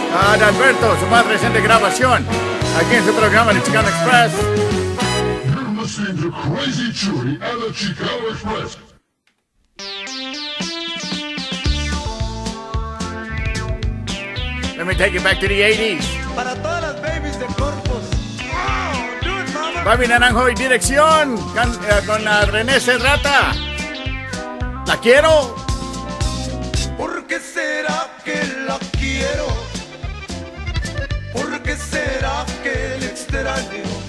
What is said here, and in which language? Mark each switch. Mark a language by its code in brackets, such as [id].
[es] Adalberto, su más reciente grabación aquí en su programa de Chicano Express. [en] You're listening to Crazy Chewy and the Chicano Express. Let me take you back to the 80s. [es] Para todas las babies de Corpus. [en] Wow, do it, mama. Bobby Naranjo y Dirección con René Serrata. [es] La quiero. ¿Por qué será que la quiero? ¿Será que le extraño?